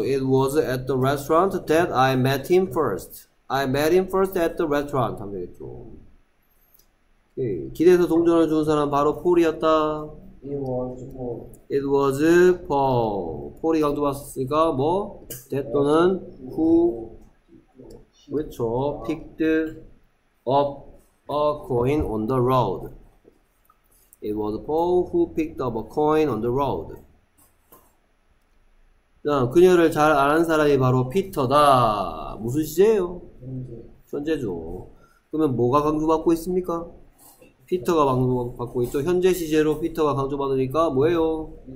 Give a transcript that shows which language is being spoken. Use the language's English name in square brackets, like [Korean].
[English] It was at the restaurant that I met him first. I met him first at the restaurant. [Korean] 하면 되겠죠. 예, 길에서 동전을 준 사람 바로 폴이었다. [English] It was Paul. [Korean] 폴이 강조 봤으니까 뭐 [English] that 또는 who, which picked up a coin on the road. It was Paul who picked up a coin on the road. [Korean] 자, 그녀를 잘 아는 사람이 바로 피터다. 무슨 시제예요? 현재죠. 그러면 뭐가 강조받고 있습니까? 피터가 강조받고 있죠. 현재 시제로 피터가 강조받으니까 뭐예요?